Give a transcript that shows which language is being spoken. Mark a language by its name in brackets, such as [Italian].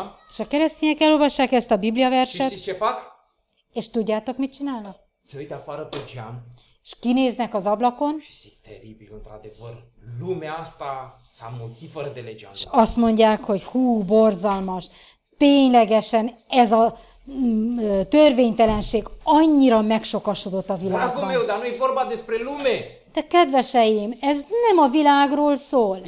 [Hungarian] És a keresztények elolvassák ezt a Biblia verset. És tudjátok, mit csinálnak? [Romanian] Se uită afară pe geam. [Hungarian] És kinéznek az ablakon. [Romanian] Și zic, teribil, într-adevăr, lumea asta s-a mulțit fără de legea. [Hungarian] És azt mondják, hogy hú, borzalmas. Ténylegesen ez a törvénytelenség annyira megsokasodott a világban. [Romanian] Dragul meu, dar nu e vorba despre lume. [Hungarian] De kedveseim, ez nem a világról szól.